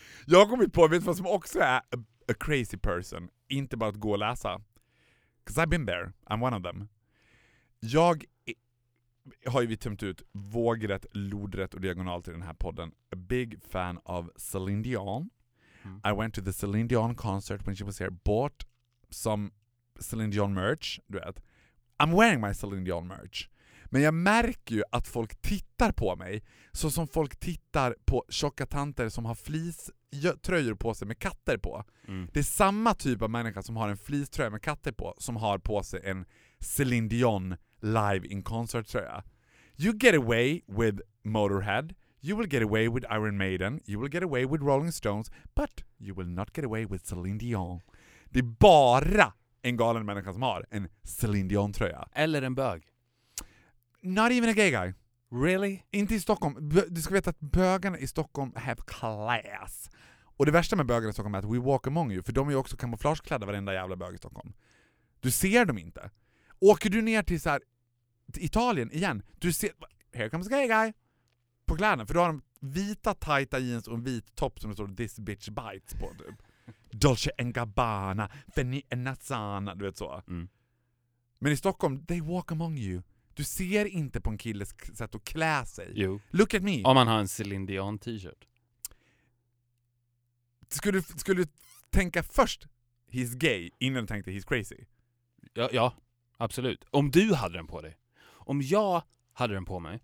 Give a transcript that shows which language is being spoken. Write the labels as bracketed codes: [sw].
[sv] Jag har kommit på, vet du vad som också är [en] a crazy person? [sv] Inte bara att gå och läsa. [en] Because I've been there. I'm one of them. [sv] Jag... har ju vi tömt ut vågrätt, lodrätt och diagonalt i den här podden. [en] A big fan of Celine Dion. Mm. I went to the Celine Dion concert when she was here. Bought some Celine Dion merch. [sv] Du vet. [en] I'm wearing my Celine Dion merch. [sv] Men jag märker ju att folk tittar på mig så som folk tittar på tjocka tanter som har fliströjor på sig med katter på. Mm. Det är samma typ av människa som har en fliströja med katter på som har på sig en Celine Dion live in concert, tror jag. [en] You get away with Motorhead. You will get away with Iron Maiden. You will get away with Rolling Stones. But you will not get away with Celine Dion. [sv] Det är bara en galen människa som har en Celine Dion, tror jag. Eller en bög. [en] Not even a gay guy. Really? [sv] Inte i Stockholm. Du ska veta att bögarna i Stockholm [en] have class. [sv] Och det värsta med bögarna i Stockholm är att [en] we walk among you. [sv] För de är ju också kamouflageklädda, varenda jävla bög i Stockholm. Du ser dem inte. Åker du ner till så här Italien igen, du ser [en] here comes a gay guy [sv] på kläderna, för då har de vita tajta jeans och en vit topp som det står [en] this bitch bites [sv] på typ. Dolce & Gabbana, Fanny & Nazzana, du vet så. Mm. Men i Stockholm, [en] they walk among you. [sv] Du ser inte på en killes sätt att klä sig. Jo. [en] Look at me. [sv] Om man har en Celine Dion t-shirt. Skulle du tänka först [en] he's gay [sv] innan du tänkte [en] he's crazy? [sv] Ja, ja. Absolut. Om du hade den på dig. Om jag hade den på mig.